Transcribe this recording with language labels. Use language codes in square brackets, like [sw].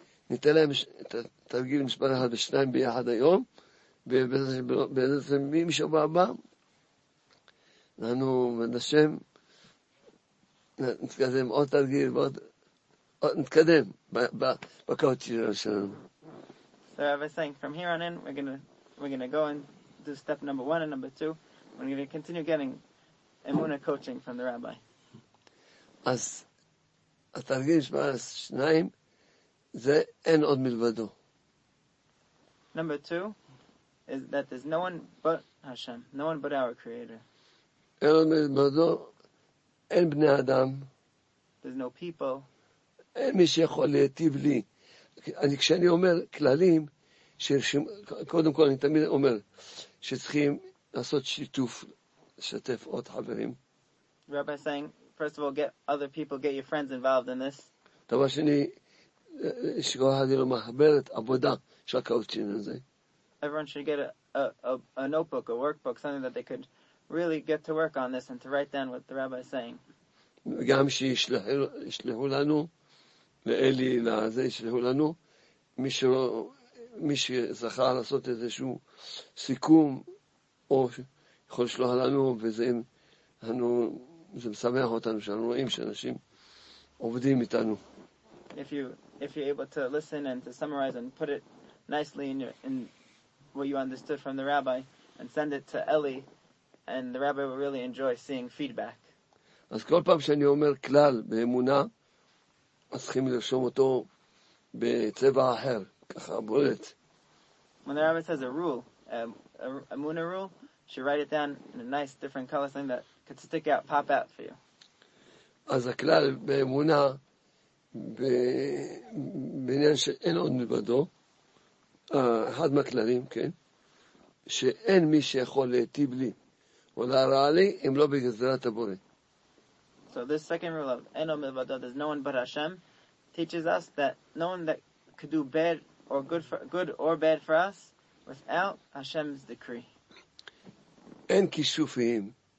[he] ניתן להם את התרגיל מספר אחד ושניים ביחד היום ובעצם מי שבא הבא אנחנו נשם נתקדם עוד תרגיל ועוד נתקדם בקוט שלנו. [en] So I was saying from here on in we're gonna go and do step number one and number two. We're gonna continue getting emuna coaching from the rabbi. [he] אז התרגיל שבא שניים זה אין עוד מלבדו. [en] Number two is that there's no one but Hashem, no one but our creator. [he] אין עוד מלבדו. אין בני אדם. [en] There's no people. [he] אין מי שיכול להטיב לי. אני, כשאני אומר כללים, קודם כל אני תמיד אומר שצריכים לעשות שיתוף, לשתף עוד חברים. [en] Rabbi is saying, first of all, get other people, get your friends involved in this. [he] דבר שני, שכל אחד יהיה לו מחברת עבודה של הקאוצ'ין הזה. [en] Everyone should get a notebook, a workbook, something that they could really get to work on this and to write down what the rabbi is saying. [he] גם שישלחו לנו לאלי לזה ישלחו לנו מי שזכה לעשות איזשהו סיכום או יכול לשלוח לנו וזה משמח אותנו שאנחנו רואים שאנשים עובדים איתנו. [en] If you're able to listen and to summarize and put it nicely in what you understood from the rabbi and send it to Eli, and the rabbi will really enjoy seeing feedback. [he] אז כל פעם שאני אומר כלל באמונה, אז צריכים לרשום אותו בצבע אחר, ככה בולט. [en] When the rabbi says a rule, a emuna rule, you should write it down in a nice different color, something that could stick out, pop out for you. [he] אז הכלל באמונה, בעניין שאין עוד מלבדו, אחד מהכללים, כן, שאין מי שיכול להטיב לי, [en] So this second rule of Eno Milvado, there's no one but Hashem, teaches us that no one that could do bad or good for good or bad for us without Hashem's decree. [he] En kishufim.